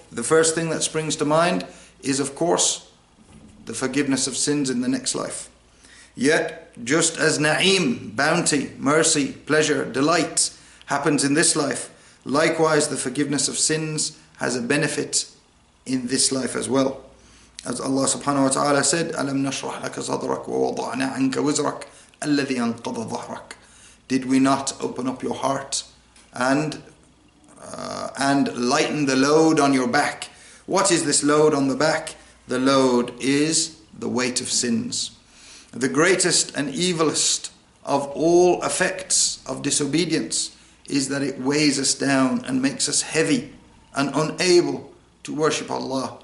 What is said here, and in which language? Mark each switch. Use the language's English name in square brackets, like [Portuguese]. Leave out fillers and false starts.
[English] The first thing that springs to mind is, of course, the forgiveness of sins in the next life. Yet, just as na'im, bounty, mercy, pleasure, delight happens in this life, likewise the forgiveness of sins has a benefit in this life as well. As Allah subhanahu wa ta'ala said, [Arabic] أَلَمْ نَشْرَحْ لَكَ صَدْرَكَ وَوَضَعْنَا عَنْكَ وِزْرَكَ الَّذِي أَنْقَضَ ظَهْرَكَ. [English] Did we not open up your heart and lighten the load on your back? What is this load on the back? The load is the weight of sins. The greatest and evilest of all effects of disobedience is that it weighs us down and makes us heavy and unable to worship Allah.